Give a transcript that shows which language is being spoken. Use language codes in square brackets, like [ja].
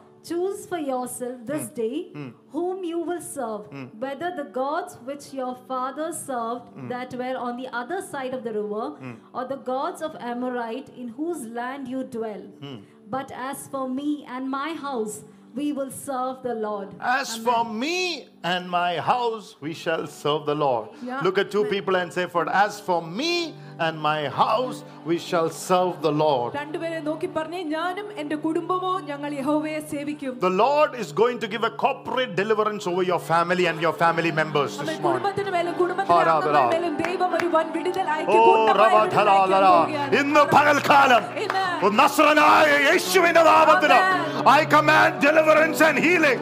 [en] Choose for yourself this day whom you will serve, whether the gods which your fathers served that were on the other side of the river, or the gods of Amorite in whose land you dwell. But as for me and my house, we will serve the Lord. As Amen. For me and my house, we shall serve the Lord. Yeah. Look at two people and say, "For as for me and my house, we shall serve the Lord." [ml] രണ്ടു പേരെ നോക്കി പറഞ്ഞു, ഞാനും എൻ്റെ കുടുംബവും ഞങ്ങൾ യഹോവയെ സേവിക്കും. [en] The Lord is going to give a corporate deliverance over your family and your family members this morning. [ml] കുടുംബത്തിന് മേലും കുടുംബത്തിലുള്ളവരുടെ മേലും ദൈവം ഒരു വൻ വിടുതൽ അയയ്ക്കും. ഓ റബധലലലാ, ഇന്ന് പകൽക്കാലം നസ്രനായ യേശുവിൻ്റെ നാമത്തിൽ [en] I command deliverance and healing